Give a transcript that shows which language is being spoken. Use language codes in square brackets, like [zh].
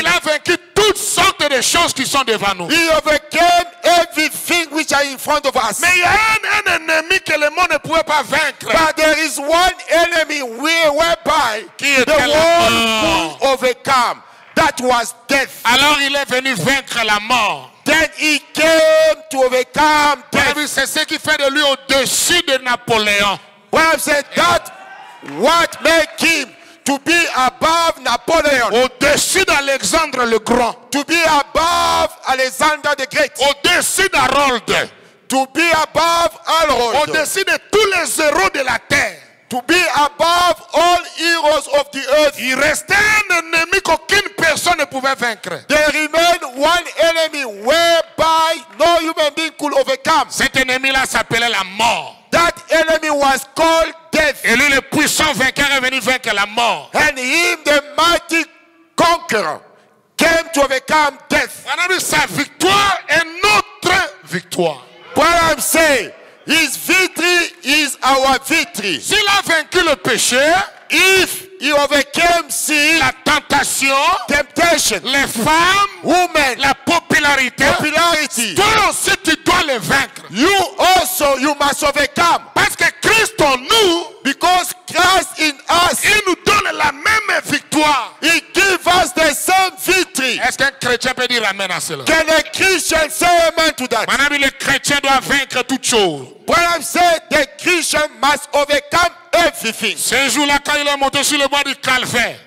[fr] Il a vaincu toutes sortes de choses qui sont devant nous. [en] He overcame everything which are in front of us. [fr] Mais il y a un ennemi que le monde ne pouvait pas vaincre. [en] But there is one enemy whereby the world could overcome. That was death. [fr] Alors il est venu vaincre la mort. [en] Then he came to overcome death. [fr] Mais c'est ce qui fait de lui au-dessus de Napoléon. [en] Well, I said that what make him to be above Napoléon. [fr] Au-dessus d'Alexandre le Grand. [en] To be above Alexander the Great. [fr] Au-dessus d'Harold. [en] To be above Harold. [fr] Au-dessus de tous les héros de la terre. [en] To be above all heroes of the earth. [fr] Il restait un ennemi qu'aucune personne ne pouvait vaincre. [en] There remained one enemy whereby no human being could overcome. [fr] Cet ennemi-là s'appelait la mort. [en] That enemy was called death. [fr] Et lui, le puissant vainqueur, est venu vaincre la mort. [en] And him, the mighty conqueror, came to overcome death. [fr] Mon ami, sa victoire est notre victoire. [en] What I'm saying, his victory is our victory. [fr] S'il a vaincu le péché, [en] if he overcame sin, [fr] la tentation, [en] temptation, [fr] les femmes, [en] women, [fr] la popularité, [en] popularity, [fr] toi aussi tu dois le vaincre. [en] You also, you must overcome. [fr] Parce que Christ en nous, [en] because Christ in us, [fr] il nous donne la même victoire. [en] He gives us the same victory. [fr] Est-ce qu'un chrétien peut dire amen à cela? [en] Can a Christian say amen to that? [fr] Mon ami, le chrétien doit vaincre toute chose. [en] What I'm saying, the Christian must overcome everything. [fr] Ce jour-là, quand il est monté sur le bois du calvaire,